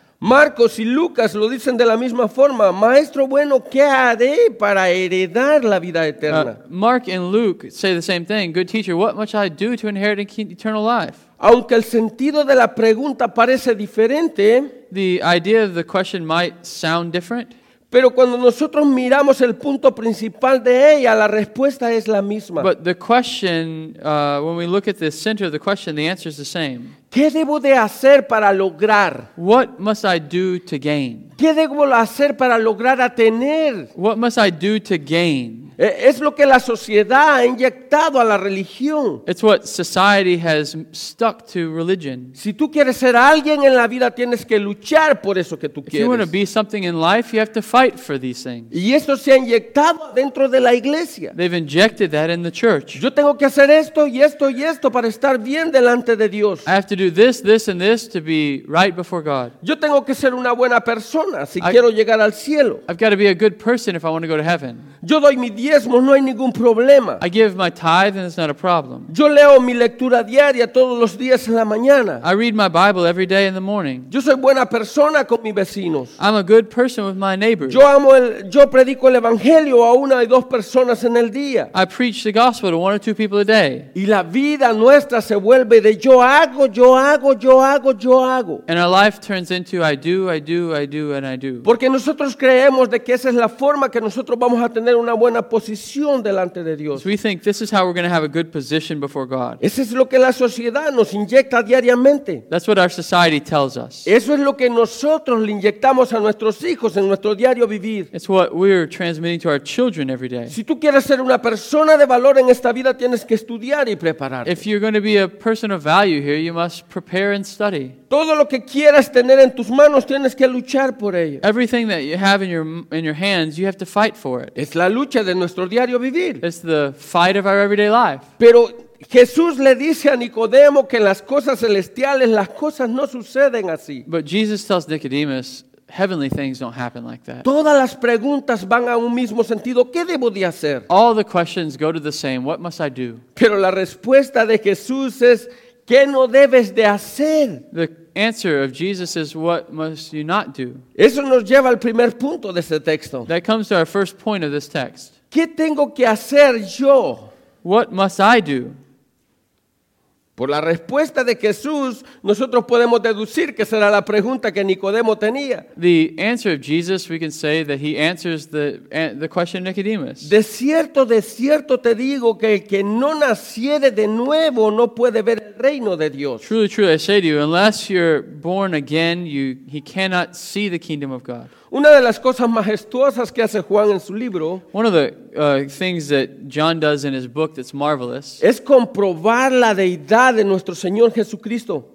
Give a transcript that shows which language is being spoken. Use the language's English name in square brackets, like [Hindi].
[Spanish] Marcos y Lucas lo dicen de la misma forma. Maestro bueno, ¿qué haré para heredar la vida eterna? [English] Mark and Luke say the same thing. Good teacher, what must I do to inherit eternal life? [Spanish] Aunque el sentido de la pregunta parece diferente, [English] the idea of the question might sound different. [Spanish] Pero cuando nosotros miramos el punto principal de ella, la respuesta es la misma. [English] But the question, when we look at the center of the question, the answer is the same. [Spanish] ¿Qué debo de hacer para lograr? [English] What must I do to gain? [Spanish] ¿Qué debo hacer para lograr tener? [English] What must I do to gain? [Spanish] Es lo que la sociedad ha inyectado a la religión. [English] It's what society has stuck to religion. [Spanish] Si tú quieres ser alguien en la vida, tienes que luchar por eso que tú quieres. [English] If you want to be something in life, you have to fight for these things. [Spanish] Y esto se ha inyectado dentro de la iglesia. [English] They've injected that in the church. [Spanish] Yo tengo que hacer esto y esto y esto para estar bien delante de Dios. [English] I have to do this, this, and this to be right before God. [Spanish] Yo tengo que ser una buena persona si quiero llegar al cielo. [English] I've got to be a good person if I want to go to heaven. [Spanish] Yo doy mi diezmo, no hay ningún problema. [English] I give my tithe and it's not a problem. [Spanish] Yo leo mi lectura diaria todos los días en la mañana. [English] I read my Bible every day in the morning. [Spanish] Yo soy buena persona con mis vecinos. [English] I'm a good person with my neighbors. [Spanish] Yo predico el evangelio a una y dos personas en el día. [English] I preach the gospel to one or two people a day. [Spanish] Y la vida nuestra se vuelve de yo hago, yo hago, yo hago, yo hago. [English] And our life turns into I do, I do, I do, and I do. [Spanish] Porque nosotros creemos de que esa es la forma que nosotros vamos a tener una buena posición delante de Dios. [English] So we think this is how we're going to have a good position before God. [Spanish] Eso es lo que la sociedad nos inyecta diariamente. [English] That's what our society tells us. [Spanish] Eso es lo que nosotros le inyectamos a nuestros hijos en nuestro diario vivir. [English] It's what we're transmitting to our children every day. [Spanish] Si tú quieres ser una persona de valor en esta vida, tienes que estudiar y prepararte. [English] If you're going to be a person of value here, you must prepare and study. [Spanish] Todo lo que quieras tener en tus manos, tienes que luchar por ello. [English] Everything that you have in your hands, you have to fight for it. [Spanish] Es la lucha de nuestro diario vivir. [English] It's the fight of our everyday life. [Spanish] Pero Jesús le dice a Nicodemo que en las cosas celestiales las cosas no suceden así. [English] But Jesus tells Nicodemus, heavenly things don't happen like that. [Spanish] Todas las preguntas van a un mismo sentido. ¿Qué debo de hacer? [English] All the questions go to the same. What must I do? [Spanish] Pero la respuesta de Jesús es, ¿qué no debes de hacer? [English] The answer of Jesus is, what must you not do? [Spanish] Eso nos lleva al primer punto de este texto. [English] That comes to our first point of this text. [Spanish] ¿Qué tengo que hacer yo? [English] What must I do? [Spanish] Por la respuesta de Jesús, nosotros podemos deducir que será la pregunta que Nicodemo tenía. [English] The answer of Jesus, we can say that he answers the question of Nicodemus. [Spanish] De cierto te digo que el que no naciere de nuevo no puede ver el reino de Dios. [English] Truly, truly, I say to you, unless you're born again, he cannot see the kingdom of God. [Spanish] Una de las cosas majestuosas que hace Juan en su libro, [English] one of the things that John does in his book that's marvelous, [Spanish] es comprobar la deidad de nuestro Señor Jesucristo.